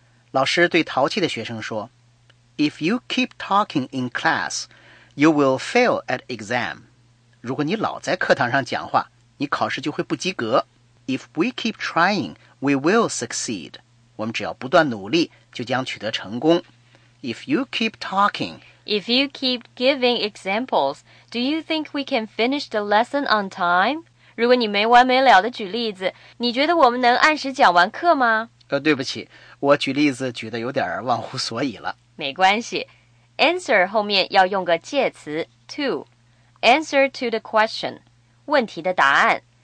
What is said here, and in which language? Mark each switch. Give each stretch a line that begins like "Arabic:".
Chinese: 老师对淘气的学生说
English: ：“If you keep talking in class, you will fail at exam。”
Chinese: 如果你老在课堂上讲话，你考试就会不及格。
English: If we keep trying, we will succeed。
Chinese: 我们只要不断努力，就将取得成功。
English: If you keep talking。 If you keep giving examples, do you think we can finish the lesson on time?
Chinese: 如果你没完没了的举例子，你觉得我们能按时讲完课吗？对不起，我举例子举得有点忘乎所以了。没关系 ，answer 后面要用个介词 to，
English: answer to the question，
Chinese: 问题的答案。